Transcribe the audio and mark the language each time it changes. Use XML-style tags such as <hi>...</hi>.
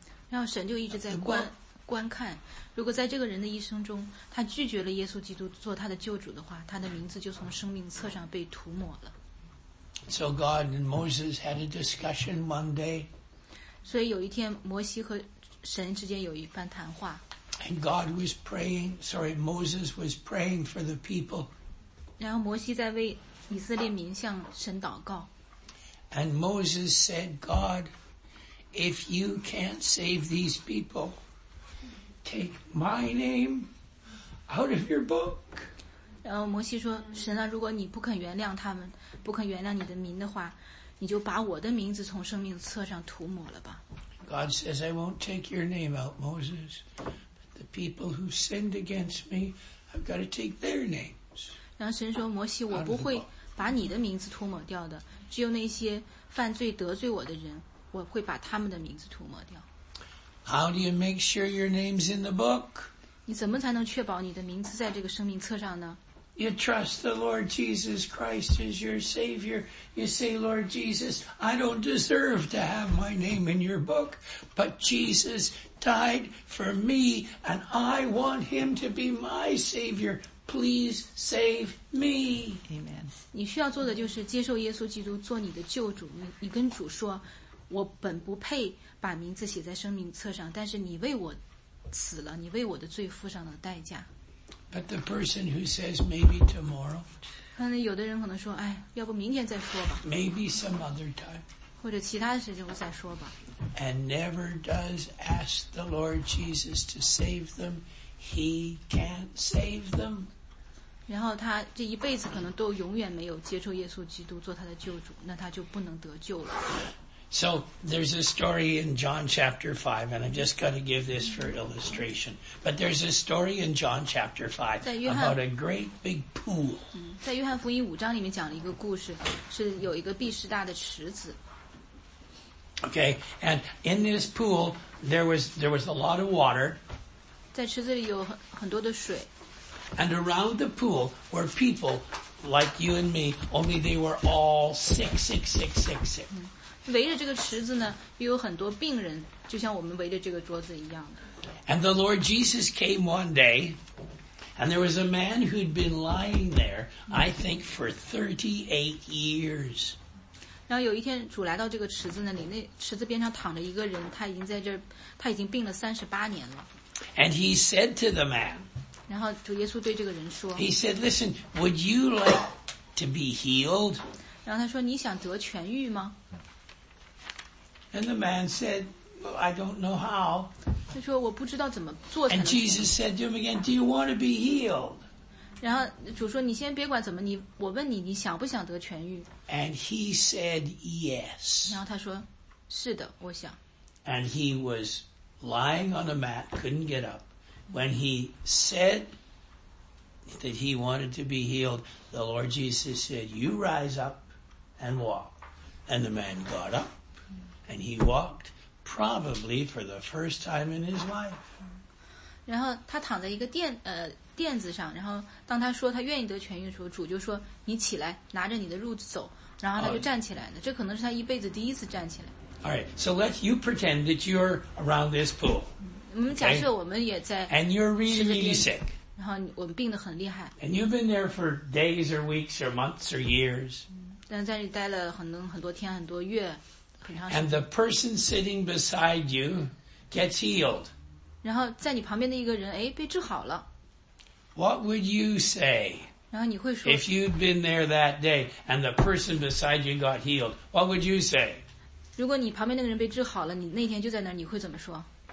<zh>然后神就一直在观看，如果在这个人的一生中，他拒绝了耶稣基督做他的救主的话，他的名字就从生命册上被涂抹了。</zh> <en>So God and Moses had a discussion one day.</en> <zh>所以有一天，摩西和神之间有一番谈话。</zh> <en>And God was praying. Sorry, Moses was praying for the people.</en> <zh>然后摩西在为以色列民向神祷告。</zh> <en>And Moses said, God, if you can't save these people. Take my name out of your book.</en> <zh>然后摩西说：“神啊，如果你不肯原谅他们，不肯原谅你的名的话，你就把我的名字从生命册上涂抹了吧。”</zh> <en>God says, "I won't take your name out, Moses. But the people who sinned against me, I've got to take their names."</en> <zh>然后神说：“摩西，我不会把你的名字涂抹掉的。只有那些犯罪得罪我的人，我会把他们的名字涂抹掉。”</zh> <en>How do you make sure your name's in the book?</en> <zh>你怎么才能确保你的名字在这个生命册上呢？</zh> <en>You trust the Lord Jesus Christ as your Savior. You say, Lord Jesus, I don't deserve to have my name in your book, but Jesus died for me, and I want him to be my Savior. Please save me. Amen.</en> <zh>你需要做的就是接受耶稣基督做你的救主。你跟主说，我本不配把名字写在生命册上，但是你为我死了，你为我的罪付上了代价。</zh> <en>But the person who says maybe tomorrow，</en> <zh>可能有的人可能说，哎，要不明天再说吧。</zh> <en>Maybe some other time，</en> <zh>或者其他的时间我再说吧。</zh> <en>And never does ask the Lord Jesus to save them， He can't save them。</en> <zh>然后他这一辈子可能都永远没有接受耶稣基督做他的救主，那他就不能得救了。</zh> <en>So there's a story in John chapter 5, and I've just got to give this for illustration. But there's a story in John chapter 5 about a great big pool.</en> <zh>在约翰福音五章里面讲了一个故事，是有一个毕士大的池子。</zh> <en>Okay, and in this pool, there was a lot of water.</en> <zh>在池子里有很多的水。</zh> <en>And around the pool were people like you and me, only they were all sick, sick, sick, sick, sick.</en> <zh>围着这个池子呢，又有很多病人，就像我们围着这个桌子一样的。</zh> <en>And the Lord Jesus came one day, and there was a man who'd been lying there, I think, for 38 years.</en> <zh>然后有一天，主来到这个池子那里，那池子边上躺着一个人，他已经在这，他已经病了38年了。</zh> <en>And he said to the man,</en> <zh>然后主耶稣对这个人说</zh> <en>，He said, "Listen, would you like to be healed?"</en> <zh>然后他说，你想得痊愈吗？</zh> <en>And the man said, well, I don't know how.</en> <zh>他说我不知道怎么做。</zh> <en>And Jesus said to him again, do you want to be healed?</en> <zh>然后主说你先别管怎么你我问你你想不想得痊愈。</zh> <en>And he said, yes.</en> <zh>然后他说是的我想。</zh> <en>And he was lying on a mat, couldn't get up. When he said that he wanted to be healed, the Lord Jesus said, you rise up and walk. And the man got up. And he walked, probably for the first time in his life.</en> <zh>然后他躺在一个垫子上，然后当他说他愿意得痊愈的时候，主就说你起来，拿着你的褥子走。然后他就站起来了，这可能是他一辈子第一次站起来。</zh> <en>All right, so let's you pretend that you're around this pool.</en> <zh>我们假设我们也在。</zh> <en>And you're really, really sick.</en> <zh>然后我们病得很厉害。</zh> <en>And you've been there for days or weeks or months or years.</en> <zh>但在这里待了很多天很多月。</zh> <en>And the person sitting beside you gets healed.</en> <zh>然后在你旁边的一个人，哎，被治好了。</zh> <en>What would you say?</en> <zh>然后你会说。</zh> <en>If you'd been there that day and the person beside you got healed, what would you say?</en> <zh>如果你旁边那个人被治好了，你那天就在那儿，你会怎么说？</zh>